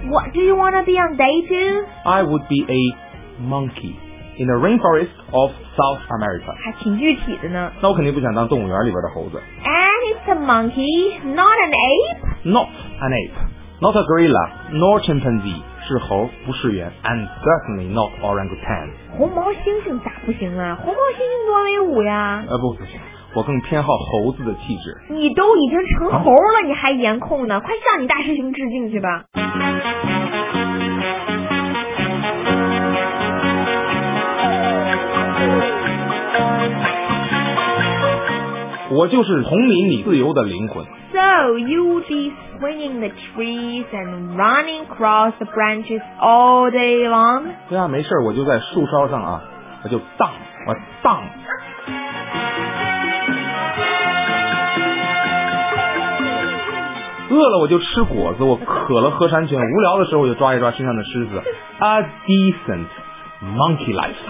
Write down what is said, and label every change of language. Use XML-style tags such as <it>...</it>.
<en>Do you want to be on day two? I would be a monkey in the rainforest of South America.</en> <zh>还挺具体的呢。那我肯定不想当动物园里边的猴子。</zh> <en>And it's a monkey, not an ape? Not an ape, not a gorilla, nor chimpanzee.</en> <zh>是猴，不是猿。 And certainly not orangutan. 红毛猩猩咋不行啊？红毛猩猩多威武呀。不行，我更偏好猴子的气质。你都已经成猴了，你还颜控呢？快向你大师兄致敬去吧。我就是丛林里自由的灵魂。</zh> <en>So you would be swinging the trees and running across the branches all day long?</en> <zh>对啊，没事，我就在树梢上啊，我就荡，我荡。饿了我就吃果子，我渴了喝山泉，无聊的时候我就抓一抓身上的虱子。</zh> <en>A decentMonkey life，</en>